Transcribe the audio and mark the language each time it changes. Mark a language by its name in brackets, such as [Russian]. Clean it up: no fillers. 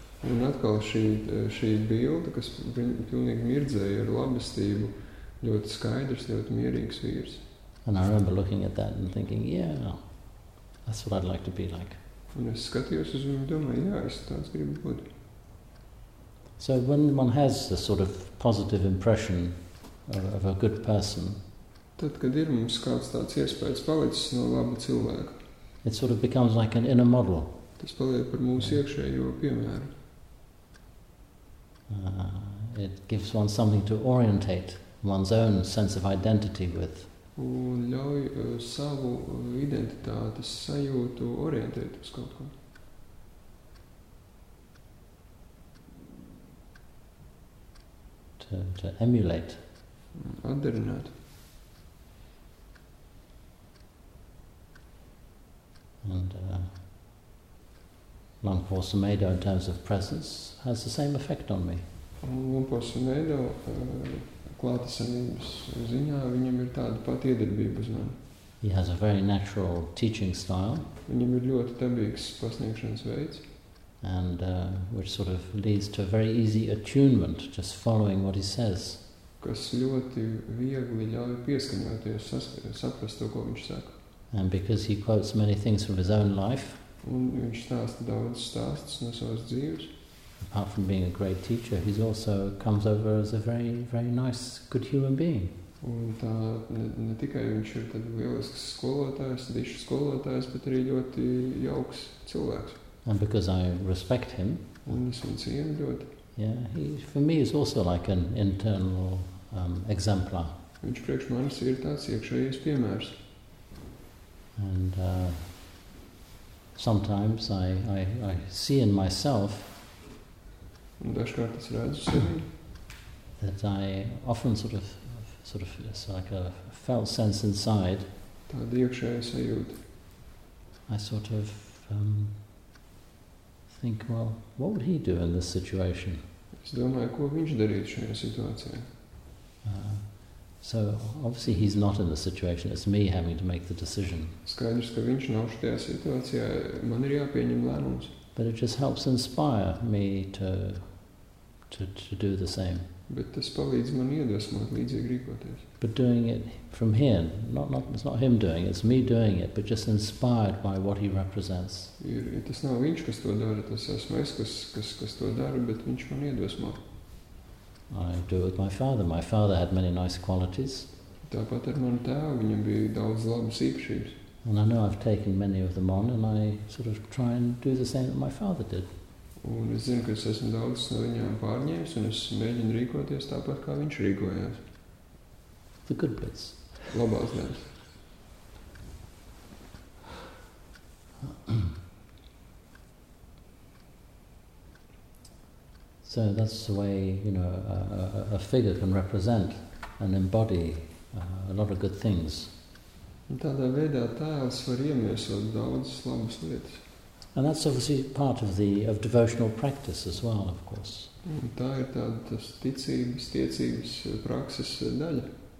[Latvian] Un atkal šī bilde, kas pilnīgi mirdzēja ar labestību, ļoti skaidrs, ļoti mierīgs vīrs. [English] And I remember looking at that and thinking, yeah, that's what I'd like to be like. [Latvian] Un es skatījos uz viņu, domāju, jā, es tāds gribu būt. [English] So when one has a sort of positive impression of a good person, [Latvian] tad, kad ir mums kāds tāds iespējas palicis no laba cilvēka, [English] it sort of becomes like an inner model. [Latvian] Tas paliek par mūsu iekšējo piemēru. [English] It gives one something to orientate one's own sense of identity with. [Latvian] Un ļauj savu identitātes sajūtu orientēt uz kaut ko. [English] To emulate. [Latvian] Atderināt. [English] And Lampo Samedo in terms of presence has the same effect on me. [Latvian] Lampo Samedo klātesanības ziņā viņam ir tāda pati iedarbība uz mani. [English] He has a very natural teaching style. [Latvian] Viņam ir ļoti dabīgs pasniegšanas veids. [English] And which sort of leads to a very easy attunement, just following what he says. [Latvian] Kas ļoti viegli ļauj pieskaņoties, saprast to, ko viņš saka. [English] And because he quotes many things from his own life, [Latvian] un viņš stāsta daudz stāstus no savas dzīves, [English] apart from being a great teacher, he also comes over as a very, very nice, good human being. [Latvian] Un tā ne tikai viņš ir tad lielisks skolotājs, dišu skolotājs, bet arī ļoti jauks cilvēks. [English] And because I respect him, [Latvian] un es viņu cienu ļoti. [English] Yeah, he for me is also like an internal exemplar. [Latvian] Viņš priekš manis ir tāds iekšējais piemērs. [English] And sometimes I see in myself [Latvian] un dažkārt es redzu sevi, [English] that I often sort of it's like a felt sense inside, [Latvian] tāda iekšējā sajūta. [English] I sort of think, well, what would he do in this situation? [Latvian] Es domāju, ko viņš darītu šajā situācijā. [English] So obviously he's not in the situation, it's me having to make the decision. [Latvian] Skaidrs, ka viņš nav šajā situācijā, man ir jāpieņem lēmums. [English] But it just helps inspire me to do the same. [Latvian] Bet tas palīdz man iedvesmot līdzīgi rīkoties. [English] But doing it from him, it's not him doing it, it's me doing it, but just inspired by what he represents. [Latvian] Ir tas nav viņš, kas to dara, tas esmu es, kas to dara, bet viņš man iedvesmo. [English] I do it with my father. My father had many nice qualities. [Latvian] Tāpat ar manu tēvu, viņam bija daudz labas īpašības. [English] And I know I've taken many of them on, and I sort of try and do the same that my father did. [Latvian] Un es zinu, ka es esmu daudz no viņām pārņēmis, un es mēģinu rīkoties tāpat, kā viņš rīkojās. [English] The good bits. [Latvian] Labās lietas. [English] So that's the way, you know, a figure can represent and embody a lot of good things. [Latvian] Tādā veidā tēls var iemiesot daudzas labas lietas. [English] And that's obviously part of devotional practice as well, of course. [Latvian] Tā ir tādas tiecības prakses daļa.